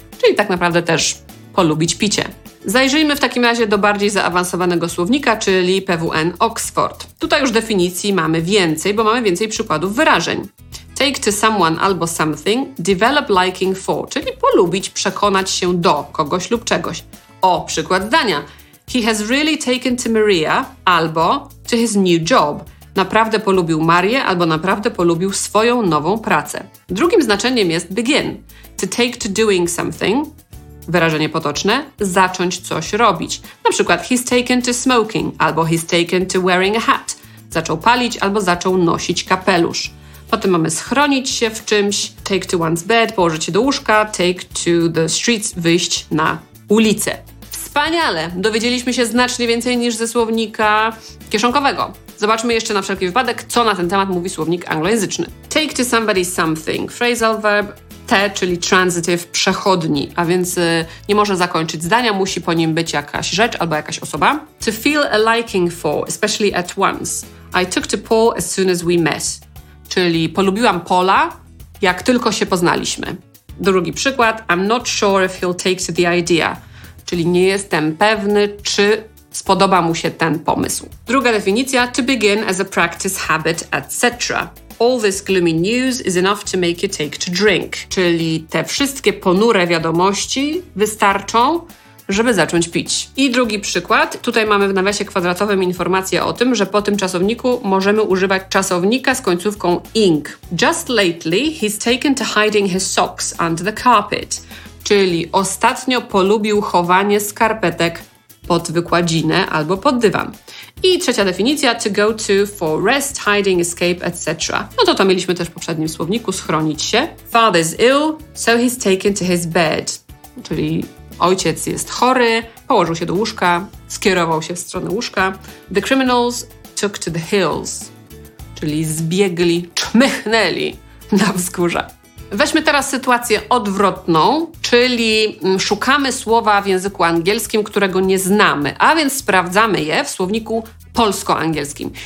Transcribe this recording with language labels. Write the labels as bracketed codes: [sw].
[pl] Czyli tak naprawdę też polubić picie. Zajrzyjmy w takim razie do bardziej zaawansowanego słownika, czyli PWN Oxford. Tutaj już definicji mamy więcej, bo mamy więcej przykładów wyrażeń. [en] Take to someone [pl] albo [en] something, develop liking for, [pl] czyli polubić, przekonać się do kogoś lub czegoś. O, przykład zdania. [en] He has really taken to Maria albo to his new job. [pl] Naprawdę polubił Marię albo naprawdę polubił swoją nową pracę. Drugim znaczeniem jest begin. [en] To take to doing something, [pl] wyrażenie potoczne, zacząć coś robić. Na przykład [en] he's taken to smoking [pl] albo [en] he's taken to wearing a hat. [pl] Zaczął palić albo zaczął nosić kapelusz. Potem mamy schronić się w czymś, [en] take to one's bed, [pl] położyć się do łóżka, [en] take to the streets, [pl] wyjść na ulicę. Wspaniale! Dowiedzieliśmy się znacznie więcej niż ze słownika kieszonkowego. Zobaczmy jeszcze na wszelki wypadek, co na ten temat mówi słownik anglojęzyczny. [en] Take to somebody something, phrasal verb, [pl] te, czyli transitive, przechodni, a więc nie może zakończyć zdania, musi po nim być jakaś rzecz albo jakaś osoba. [en] To feel a liking for, especially at once. I took to Paul as soon as we met. [pl] Czyli polubiłam Paula, jak tylko się poznaliśmy. Drugi przykład. [en] I'm not sure if he'll take to the idea. [pl] Czyli nie jestem pewny, czy spodoba mu się ten pomysł. Druga definicja. [en] To begin as a practice, habit, etc. All this gloomy news is enough to make you take to drink. [pl] Czyli te wszystkie ponure wiadomości wystarczą, żeby zacząć pić. I drugi przykład. Tutaj mamy w nawiasie kwadratowym informację o tym, że po tym czasowniku możemy używać czasownika z końcówką ing. [en] Just lately he's taken to hiding his socks under the carpet. [pl] Czyli ostatnio polubił chowanie skarpetek pod wykładzinę albo pod dywan. I trzecia definicja. [en] To go to for rest, hiding, escape, etc. [pl] No to mieliśmy też w poprzednim słowniku schronić się. [en] Father's ill, so he's taken to his bed. [pl] Czyli ojciec jest chory, położył się do łóżka, skierował się w stronę łóżka. [en] The criminals took to the hills, [pl] czyli zbiegli, czmychnęli na wzgórza. Weźmy teraz sytuację odwrotną, czyli szukamy słowa w języku angielskim, którego nie znamy, a więc sprawdzamy je w słowniku polsko-angielskim.